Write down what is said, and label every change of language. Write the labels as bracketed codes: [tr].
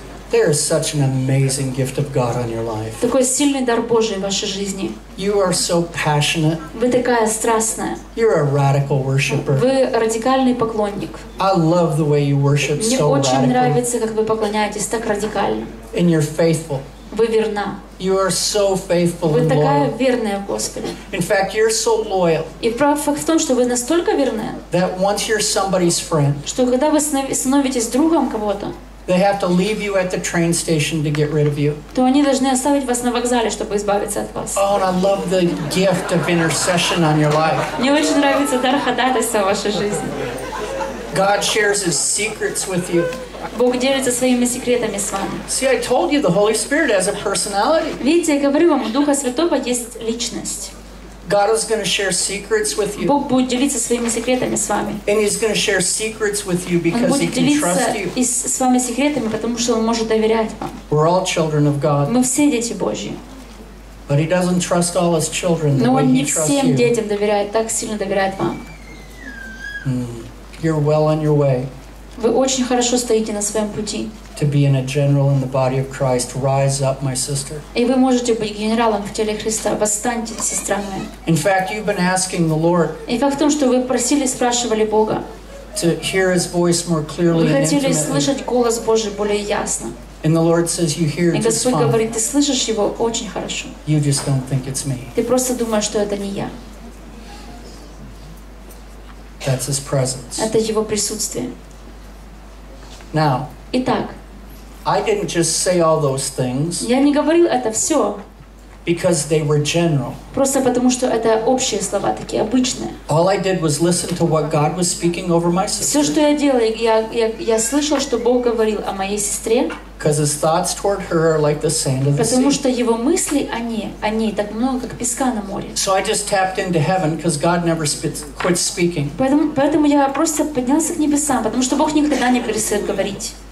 [en] There is such an amazing gift of God on your life. [ru] Такой сильный дар Божий в вашей жизни. [en] You are so passionate. [ru] Вы такая страстная. [en] You're a radical worshipper. [ru] Вы радикальный поклонник. [en] I love the way you worship so radically. [ru] Мне очень нравится, как вы поклоняетесь так радикально. [en] And you're faithful. [ru] Вы верна. [en] You are so faithful and loyal. [ru] Вы такая верная, Господи. [en] In fact, you're so loyal. [ru] И правда факт в том, что вы настолько верны. [en] That once you're somebody's friend. [ru] Что когда вы становитесь другом кого-то. [en] They have to leave you at the train station to get rid of you. [ru] То они должны оставить вас на вокзале, чтобы избавиться от вас. [en] Oh, and I love the gift of intercession on your life. [ru] Мне очень нравится дар ходатайства в вашей жизни. [en] God shares His secrets with you. [ru] Бог делится своими секретами с вами. [en] See, I told you the Holy Spirit has a personality. [ru] Видите, я говорю вам, у Духа Святого есть личность. [en] God is going to share secrets with you. [ru] Бог будет делиться своими секретами с вами. [en] And He's going to share secrets with you because He can trust you. [ru] Он будет делиться с вами секретами, потому что Он может доверять вам. [en] We're all children of God. [ru] Мы все дети Божьи. [en] But he doesn't trust all his children the way he trusts you. [ru] Но он не всем детям доверяет, так сильно доверяет вам. [en] You're well on your way. [ru] Вы очень хорошо стоите на своем пути. [en] To be in a general in the body of Christ, rise up, my sister. [ru] И вы можете быть генералом в теле Христа. Восстаньте, сестра моя. [en] In fact, you've been asking the Lord. [ru] И факт в том, что вы просили, спрашивали Бога. [en] To hear His voice more clearly and intimately. [ru] Вы хотели слышать голос Божий более ясно. [en] And the Lord says, "You hear just fine." [ru] И Господь говорит, ты слышишь его очень хорошо. [en] You just don't think it's me. [ru] Ты просто думаешь, что это не я. [en] That's His presence. [ru] Это его присутствие. [en] Now. [ru] Итак. [en] I didn't just say all those things. [ru] Я не говорил это все. [en] Because they were general. [ru] Просто потому что это общие слова такие обычные. [en] All I did was listen to what God was speaking over my sister. [ru] Все, что я делал, я слышал, что Бог говорил о моей сестре. [en] Because His thoughts toward her are like the sand of the sea. [ru] Потому что его мысли о ней, так много, как песка на море. [en] So I just tapped into heaven because God never quits speaking. [ru] Поэтому я просто поднялся к небесам, потому что Бог никогда не перестает говорить.